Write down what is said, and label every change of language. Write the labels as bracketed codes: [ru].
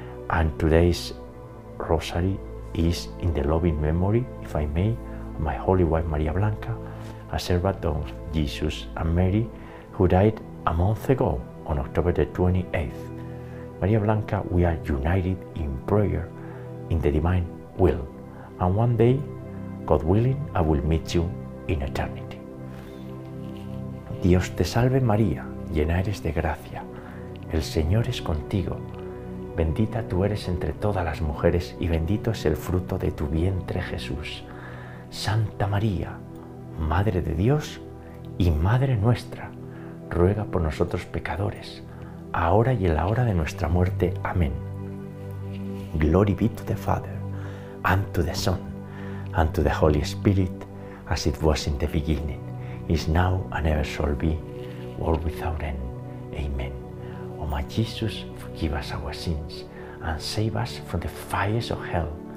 [en] And today's Rosary is in the loving memory, if I may, of my holy wife Maria Blanca, a servant of Jesus and Mary, who died a month ago on October the 28th. Maria Blanca, we are united in prayer in the divine will, and one day, God willing, I will meet you in eternity. [es] Dios te salve María, llena eres de gracia, el Señor es contigo. Bendita tú eres entre todas las mujeres y bendito es el fruto de tu vientre, Jesús. Santa María, Madre de Dios y Madre nuestra, ruega por nosotros pecadores, ahora y en la hora de nuestra muerte. Amén. [en] Glory be to the Father, and to the Son, and to the Holy Spirit, as it was in the beginning, is now, and ever shall be, world without end. Amen. O my Jesus, forgive us our sins, and save us from the fires of hell.